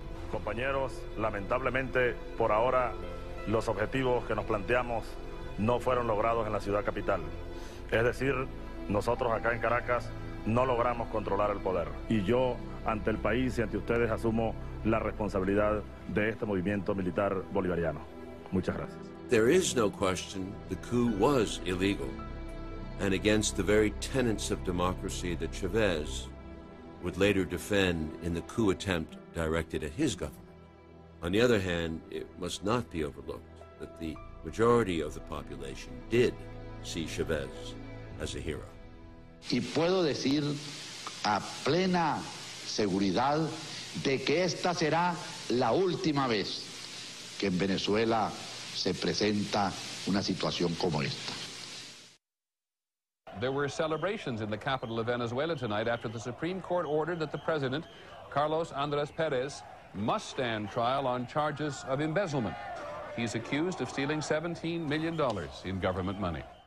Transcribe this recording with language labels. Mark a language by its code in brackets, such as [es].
[es] Compañeros, lamentablemente, por ahora, los objetivos que nos planteamos no fueron logrados en la ciudad capital. Es decir, nosotros acá en Caracas no logramos controlar el poder. Y yo, ante el país y ante ustedes, asumo la responsabilidad de este movimiento militar bolivariano. Muchas gracias. [en] There is no question the coup was illegal and against the very tenets of democracy that Chavez would later defend in the coup attempt directed at his government. On the other hand, it must not be overlooked that the majority of the population did see Chavez as a hero. [es] Y puedo decir a plena seguridad de que esta será la última vez que en Venezuela se presenta una situación como esta. [en] There were celebrations in the capital of Venezuela tonight after the Supreme Court ordered that the president, Carlos Andrés Pérez, must stand trial on charges of embezzlement. He's accused of stealing $17 million in government money.